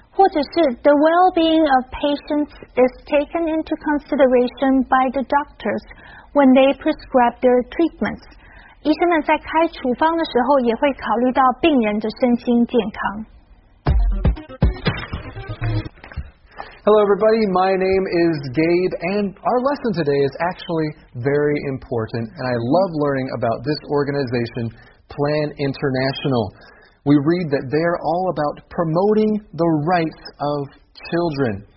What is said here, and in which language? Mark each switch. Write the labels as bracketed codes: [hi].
[zh] 或者是 [en] the well-being of patients is taken into consideration by the doctors when they prescribe their treatments. [zh] 医生们在开处方的时候也会考虑到病人的身心健康。 [en] Hello everybody, my name is Gabe, and our lesson today is actually very important, and I love learning about this organization, Plan International. We read that they're all about promoting the rights of children.